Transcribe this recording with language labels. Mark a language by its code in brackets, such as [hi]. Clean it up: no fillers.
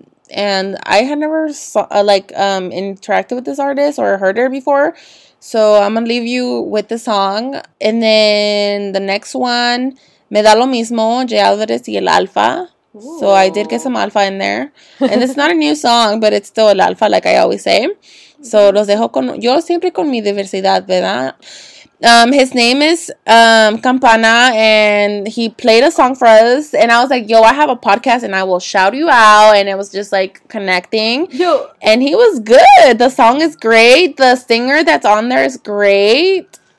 [en] And I had never interacted with this artist or heard her before. So I'm going to leave you with the song. And then the next one, Me Da Lo Mismo, J. Alvarez y El Alfa. Ooh. So I did get some Alfa in there. And it's not a new song, but it's still El Alfa, like I always say. So [es] los dejo con, yo siempre con mi diversidad, ¿verdad? [en] His name is Campana, and he played a song for us, and I was like, yo, I have a podcast, and I will shout you out, and it was just, like, connecting, yo. And he was good. The song is great. The singer that's on there is great.